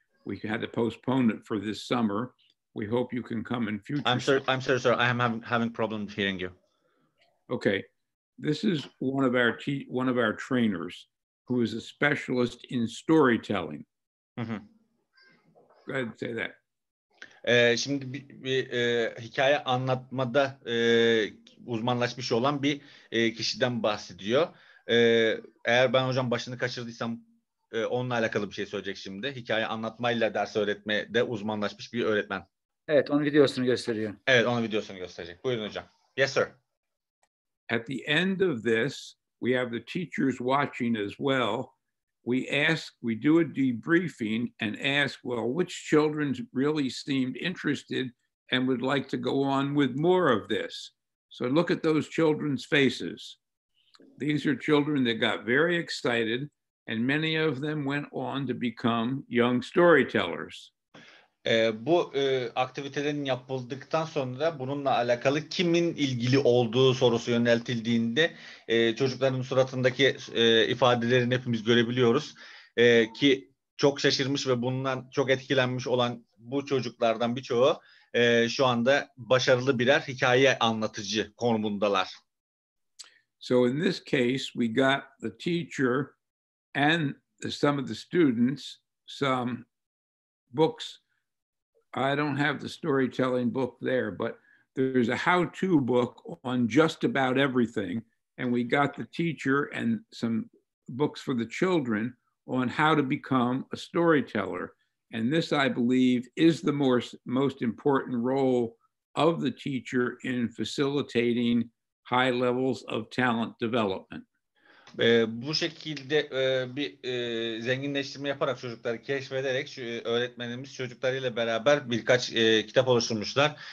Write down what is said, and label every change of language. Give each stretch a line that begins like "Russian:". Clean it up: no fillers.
English: We had to postpone it for this summer. We hope you can come in future. I'm sorry, sir. I am having problems hearing you. Okay. This is one of our trainers who is a specialist in storytelling. Mm-hmm. Go ahead and say that.
Turkish: Şimdi bir hikaye anlatmada uzmanlaşmış olan bir kişiden bahsediyor. Eğer ben hocam başını kaçırdıysam onunla alakalı bir şey söyleyecek şimdi. Hikaye anlatmayla ders öğretmede uzmanlaşmış bir öğretmen. Evet, onun videosunu gösteriyor. Evet, onun videosunu gösterecek. Buyurun hocam.
English: Yes, sir. At the end of this, we have the teachers watching as well. We do a debriefing and ask, well, which children really seemed interested and would like to go on with more of this? So look at those children's faces. These are children that got very excited, and many of them went on to become young storytellers.
Turkish: Bu aktivitelerin yapıldıktan sonra bununla alakalı kimin ilgili olduğu sorusu yöneltildiğinde çocukların suratındaki ifadelerini hepimiz görebiliyoruz. Ki çok şaşırmış ve bundan çok etkilenmiş olan bu çocuklardan birçoğu şu anda başarılı birer hikaye anlatıcı konumundalar.
English: So in this case we got the teacher and some of the students some books. I don't have the storytelling book there, but there's a how-to book on just about everything. And we got the teacher and some books for the children on how to become a storyteller. And this, I believe, is the most important role of the teacher in facilitating high levels of talent development.
Turkish: Bu şekilde bir zenginleştirme yaparak çocukları keşfederek şu öğretmenimiz çocuklarıyla beraber birkaç kitap oluşturmuşlar.